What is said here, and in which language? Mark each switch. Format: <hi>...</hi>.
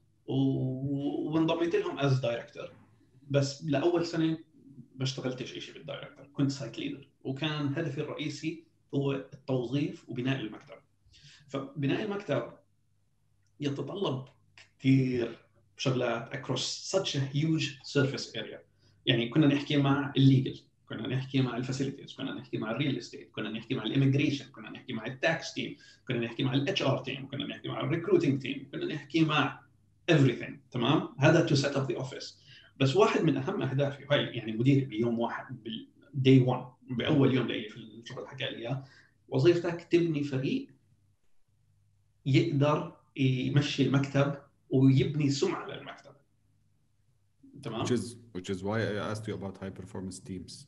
<ar>وانضميت لهم</ar> <en>as director.</en> <ar>بس لأول سنة ما اشتغلتش إشي بالدايركتر، كنت سايت ليدر، وكان هدفي الرئيسي هو التوظيف وبناء المكتب. فبناء المكتب يتطلب كتير شغلات</ar> <en>across such a huge surface area.</en> <ar>يعني كنا نحكي مع الليجل، كنا نحكي مع الفاسيليتيز، كنا نحكي مع الريل استيت، كنا نحكي مع الاميجريشن، كنا نحكي مع التاكس تيم، كنا نحكي مع الاتش ار تيم، كنا نحكي مع الريكروتينج تيم، كنا نحكي مع everything. تمام، هذا تو سيت اب ذا اوفيس. بس واحد من اهم اهدافي هاي، يعني مدير بيوم واحد بالدي 1 باول يوم لي في الشغل حكى لي اياه، وظيفتك تبني فريق يقدر يمشي المكتب ويبني سمعة للمكتب. تمام،</ar> <en>which is why I asked you about high performance teams.</en>